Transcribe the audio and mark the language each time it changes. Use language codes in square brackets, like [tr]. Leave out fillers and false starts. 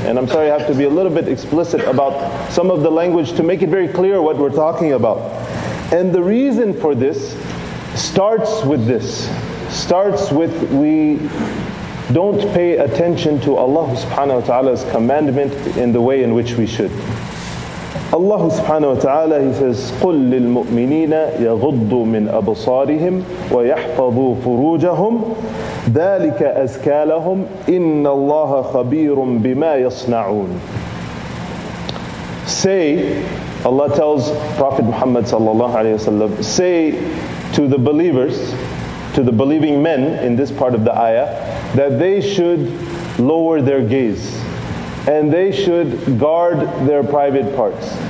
[en] And I'm sorry, I have to be a little bit explicit about some of the language to make it very clear what we're talking about. And the reason for this starts with this. Starts with we don't pay attention to Allah subhanahu wa ta'ala's commandment in the way in which we should. [ar] Allah subhanahu wa ta'ala, [en] He says, [ar] قُلْ لِلْمُؤْمِنِينَ يَغُضُّوا مِنْ أَبْصَارِهِمْ وَيَحْفَظُوا فُرُوجَهُمْ ذَلِكَ أَزْكَى لَهُمْ إِنَّ اللَّهَ خَبِيرٌ بِمَا يَصْنَعُونَ. [en] Say, Allah tells Prophet Muhammad sallallahu alayhi wa sallam, say to the believers, to the believing men in this part of the ayah, that they should lower their gaze and they should guard their private parts.